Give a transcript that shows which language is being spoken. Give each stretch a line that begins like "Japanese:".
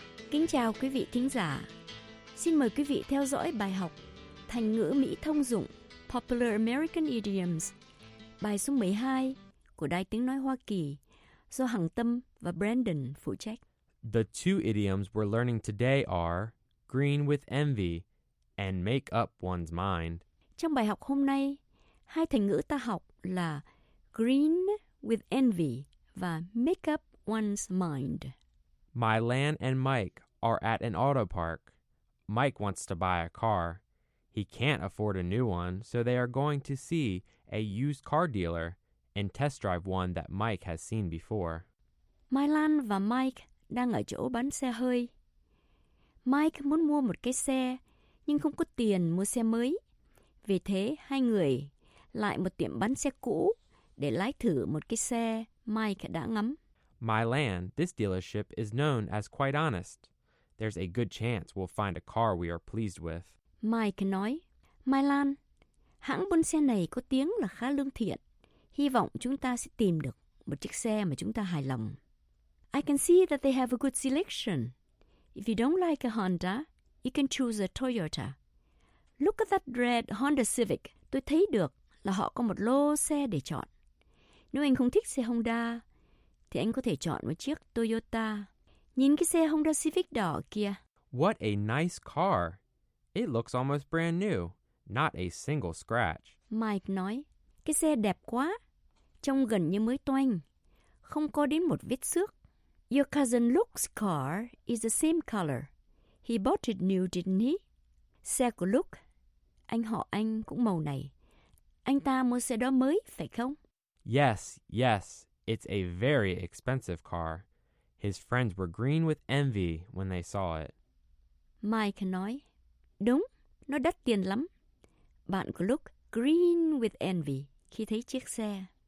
Vietnamese: Kính chào quý vị thính giả. Xin mời quý vị theo dõi bài học Thành ngữ Mỹ thông dụng
English: Popular American Idioms,
Vietnamese: bài số 12 của Đài Tiếng Nói Hoa Kỳ do Hằng Tâm và Brandon phụ trách.
English: The two idioms we're learning today are green with envy and make up one's mind.
Vietnamese: Trong bài học hôm nay, hai thành ngữ ta học là
English: green with envy
Vietnamese: và
English: make up one's mind. My Lan and Mike are at an auto park. Mike wants to buy a car. He can't afford a new one, so they are going to see a used car dealer and test drive one that Mike has seen before.
Vietnamese: Mai Lan và Mike đang ở chỗ bán xe hơi. Mike muốn mua một cái xe, nhưng không có tiền mua xe mới. Vì thế, hai người lại một tiệm bán xe cũ để lái thử một cái xe Mike đã ngắm.
English: Mai Lan, this dealership is known as quite honest. There's a good chance we'll find a car we are pleased with.
Vietnamese: Mike nói, Mai Lan, hãng buôn xe này có tiếng là khá lương thiện. Hy vọng chúng ta sẽ tìm được một chiếc xe mà chúng ta hài lòng.
English: I can see that they have a good selection. If you don't like a Honda, you can choose a Toyota. Look at that red Honda Civic.
Vietnamese: Tôi thấy được là họ có một lô xe để chọn. Nếu anh không thích xe Honda, thì anh có thể chọn một chiếc Toyota. Nhìn cái xe Honda Civic đỏ kia.
English: What a nice car. It looks almost brand new. Not a single scratch.
Vietnamese: Mike nói, cái xe đẹp quá. Trông gần như mới toanh. Không có đến một vết xước.
English: Your cousin Luke's car is the same color. He bought it new, didn't he?
Vietnamese: Xe của Luke, anh họ anh cũng màu này. Anh ta mua xe đó mới, phải không?
English: Yes, yes. It's a very expensive car. His friends were green with envy when they saw it.
Vietnamese: Mike nói, đúng, nó đắt tiền lắm. Bạn của Luke
English: green with envy
Vietnamese: khi thấy chiếc xe.